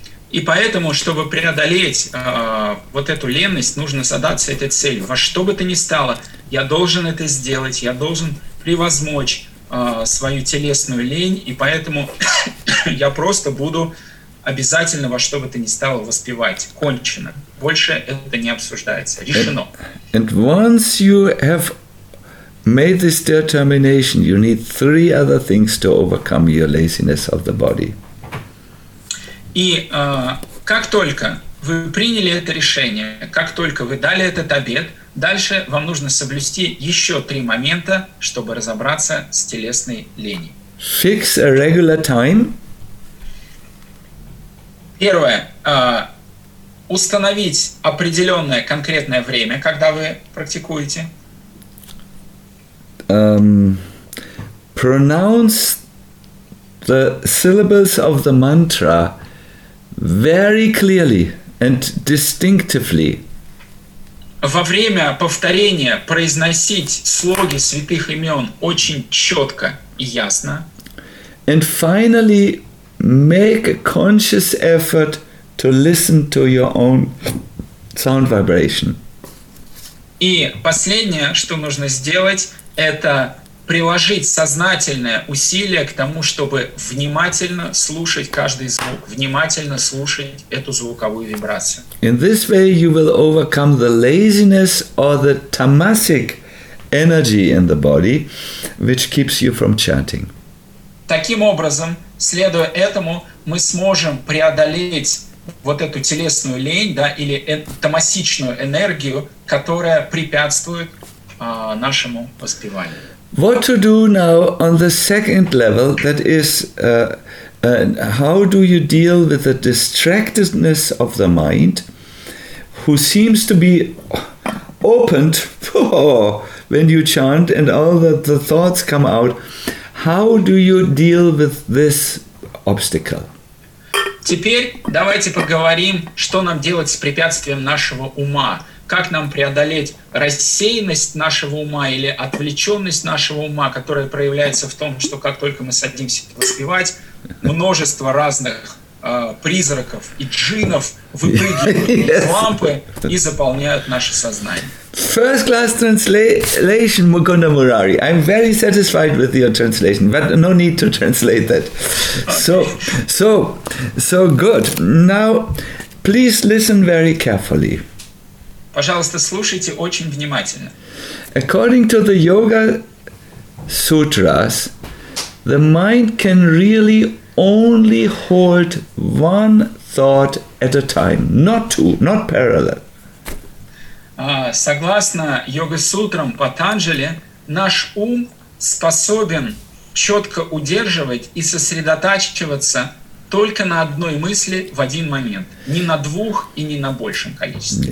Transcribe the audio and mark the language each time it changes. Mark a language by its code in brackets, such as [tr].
[ru] И поэтому, чтобы преодолеть вот эту леность, нужно задаться этой целью. Во что бы то ни стало, я должен это сделать, я должен превозмочь свою телесную лень, и поэтому я просто буду обязательно во что бы то ни стало воспевать. Кончено. Больше это не обсуждается. Решено. [en] And once you have made this determination, you need 3 other things to overcome your laziness of the body. [ru] И как только вы приняли это решение, как только вы дали этот обет, дальше вам нужно соблюсти еще 3 момента, чтобы разобраться с телесной ленью. [en] Fix a regular time. [ru] Первое. Установить определенное конкретное время, когда вы практикуете. [en] Pronounce the syllables of the mantra very clearly and distinctively. [ru] Во время повторения произносить слоги святых имен очень четко и ясно. [en] And finally, make a conscious effort to listen to your own sound vibration. [ru] И последнее, что нужно сделать, это приложить сознательное усилие к тому, чтобы внимательно слушать каждый звук, внимательно слушать эту звуковую вибрацию. [en] In this way you will overcome the laziness or the tamasic energy in the body, which keeps you from chanting. [ru] Таким образом, следуя этому, мы сможем преодолеть вот эту телесную лень, да, или тамасичную энергию, которая препятствует нашему воспеванию. [en] What to do now on the second level, that is, how do you deal with the distractedness of the mind, who seems to be opened when you chant and all the thoughts come out, how do you deal with this obstacle. [ru] Теперь давайте поговорим, что нам делать с препятствием нашего ума. Как нам преодолеть рассеянность нашего ума или отвлеченность нашего ума, которая проявляется в том, что как только мы садимся воспевать, множество разных призраков и джиннов выпрыгивают из лампы и заполняют наше сознание. [en] First class translation, Mukunda Murari. I'm very satisfied with your translation, but no need to translate that. So good. Now, please listen very carefully. [ru] Пожалуйста, слушайте очень внимательно. [en] According to the Yoga Sutras, the mind can really only hold one thought at a time, not two, not parallel. [ru] Согласно йога-сутрам Патанджали, наш ум способен четко удерживать и сосредотачиваться только на одной мысли в один момент, не на двух и не на большем количестве.